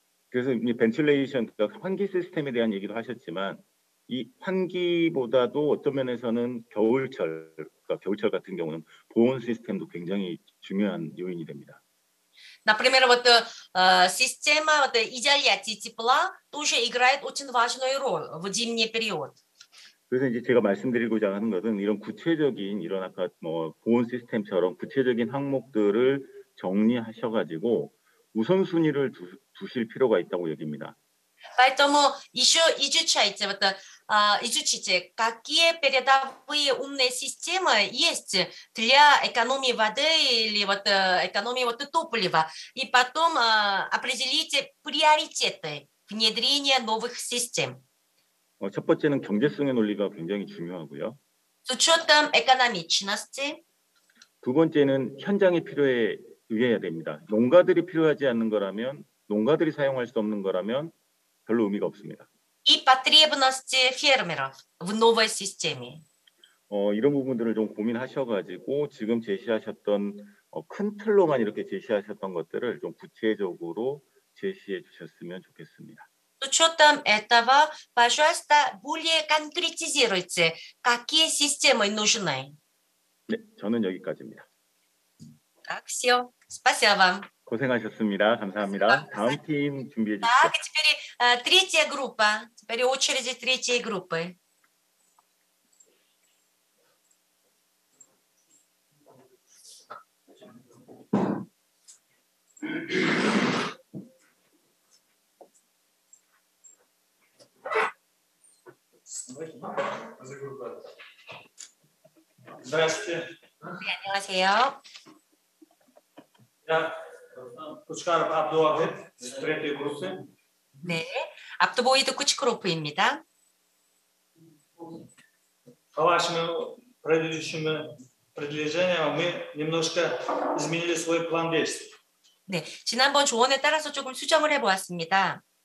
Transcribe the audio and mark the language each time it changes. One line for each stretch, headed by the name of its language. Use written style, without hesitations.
Korean: 그래서 이 벤틸레이션, 그러니까 환기 시스템에 대한 얘기도 하셨지만 이 환기보다도 어떤 면에서는 겨울철, 그러니까 겨울철 같은 경우는 보온 시스템도 굉장히 중요한 요인이 됩니다.
Russian: Например, вот система вот изоляции тепла тоже играет очень важную роль в зимний период.
Korean: 그래서 이제 제가 말씀드리고자 하는 것은 이런 구체적인 이런 아까 뭐 보온 시스템처럼 구체적인 항목들을 정리하셔가지고 우선순위를 두실 필요가 있다고 얘기입니다.
Russian: Поэтому еще изучайте, вот, изучите, какие передовые умные системы есть для экономии воды или вот, экономии вот, топлива. И потом определите приоритеты внедрения новых систем.
Korean: 첫 번째는 경제성의 논리가 굉장히 중요하고요.
Russian: С учетом экономичности.
Korean: 두 번째는 현장의 필요에 의해야 됩니다. 농가들이 필요하지 않는 거라면, 농가들이 사용할 수 없는 거라면 별로 의미가 없습니다.
Russian: И потребности фермеров в новой системе.
Korean: 이런 부분들을 좀 고민하셔가지고 지금 제시하셨던 큰 틀로만 이렇게 제시하셨던 것들을 좀 구체적으로 제시해 주셨으면 좋겠습니다.
Russian: С учетом этого, пожалуйста, более конкретизируйте, какие системы нужны.
Korean: 네, 저는 여기까지입니다.
Russian: Так, все. Спасибо вам.
Korean: 고생하셨습니다. 감사합니다. 다음 팀 준비해 주세요.
Russian: Так, теперь третья группа. Теперь очередь третьей группы.
Korean: 안녕하세요. 네, 안녕하세요. 쿠츠카르프 압도아벳 스트레트 그룹스. 네, 압도보이드 쿠츠크로프입니다. 하와시메
Russian: предыдущими предложениями мы немножко изменили свой план действий.
Korean: 네, 지난번 조언에 따라서 조금 수정을 해보았습니다.